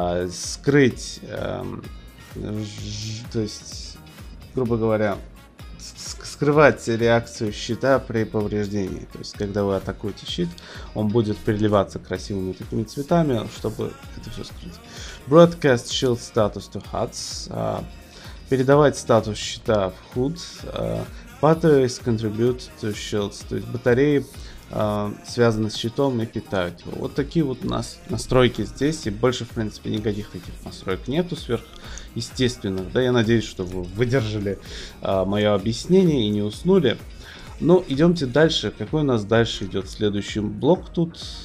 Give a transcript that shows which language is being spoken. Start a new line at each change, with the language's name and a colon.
Russian: Скрыть, то есть, грубо говоря, скрывать реакцию щита при повреждении. То есть, когда вы атакуете щит, он будет переливаться красивыми такими цветами, чтобы это все скрыть.
English: Broadcast shield status to HUDs.
Russian: Передавать статус щита в HUD.
English: Batteries contribute to shields.
Russian: То есть, батареи связаны с щитом и питают его. Вот такие вот у нас настройки здесь. И больше, в принципе, никаких таких настроек нету сверху. Естественно, да, я надеюсь, что вы выдержали мое объяснение и не уснули. Ну, идемте дальше. Какой у нас дальше идет следующий блок тут?